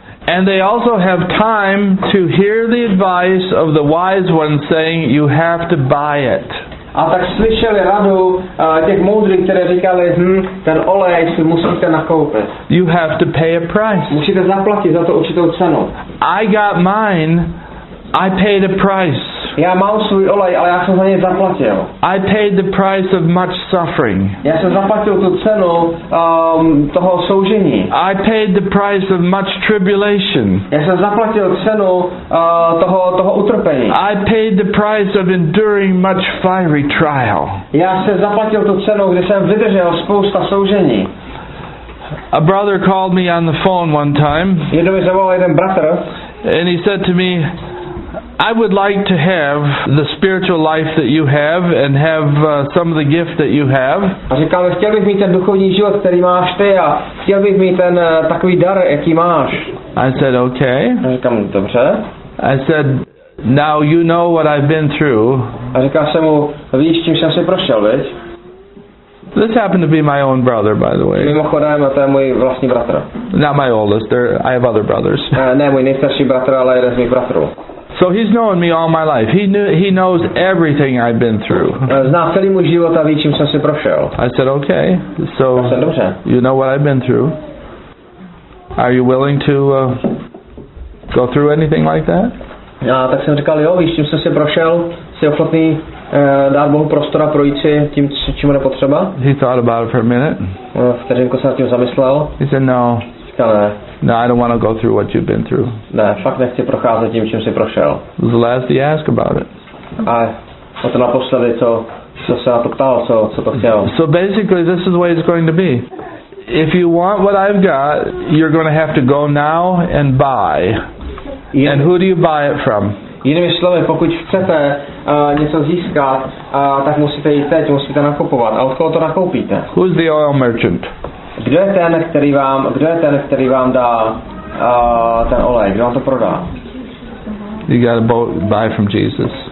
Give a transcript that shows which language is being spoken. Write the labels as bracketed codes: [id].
[en] And they also have time to hear the advice of the wise one saying, you have to buy it. [cs] A tak slyšeli radu těch moudrých, které říkali, ten olej si musíte nakoupit. [en] You have to pay a price. [cs] Musíte zaplatit za to určitou cenu. [en] I got mine, I paid a price. [cs] Já mám svůj olej, ale já jsem za něj zaplatil. [en] I paid the price of much suffering. [cs] Já jsem zaplatil tu cenu toho soužení. [en] I paid the price of much tribulation. [cs] Já jsem zaplatil cenu toho utrpení. [en] I paid the price of enduring much fiery trial. [cs] Já jsem zaplatil tu cenu, kdy jsem vydržel spousta soužení. [en] A brother called me on the phone one time. [cs] Jednou mi zavolal jeden bratr. [en] And he said to me, I would like to have the spiritual life that you have and have some of the gift that you have. [cs] A říkám, chtěl bych mít ten duchovní život, který máš ty, a chtěl bych mít ten takový dar, jaký máš. [en] I said, okay. [cs] A říkám, dobře. [en] I said, now you know what I've been through. [cs] A říkám se mu, víš, čím jsem si prošel, viď? [en] This happened to be my own brother, by the way. [cs] Mimochodem, to je můj vlastní bratr. [en] Not my oldest, I have other brothers. [cs] Ne, můj nejstarší bratr, ale jeden z mých bratrů. [en] So he's known me all my life. He knows everything I've been through. [cs] Zná celý můj život a ví, čím jsem si prošel. [en] I said, okay. So you know what I've been through. Are you willing to go through anything like that? [cs] No, tak jsem říkal, jo, víš, čím jsem si prošel, jsi ochotný dát Bohu prostor a projít si tím, čím je potřeba? [en] He thought about it for a minute. [cs] Vteřinku se nad tím zamyslel. [en] He said, no. No, I don't want to go through what you've been through. [cs] Ne, fakt nechci procházet tím, čím jsi prošel. [en] The last you ask about it. [cs] A o to naposledy, co se na to ptal, co to chtěl. [en] So basically, this is the way it's going to be. If you want what I've got, you're going to have to go now and buy. And who do you buy it from? [cs] Jinými slovy, pokud chcete něco získat, tak musíte jít teď, musíte nakupovat. A od koho to nakoupíte? [en] Who's the oil merchant? [cs] Kdo je ten, který vám dá ten olej? Kdo vám to prodá? [en] You gotta buy from Jesus.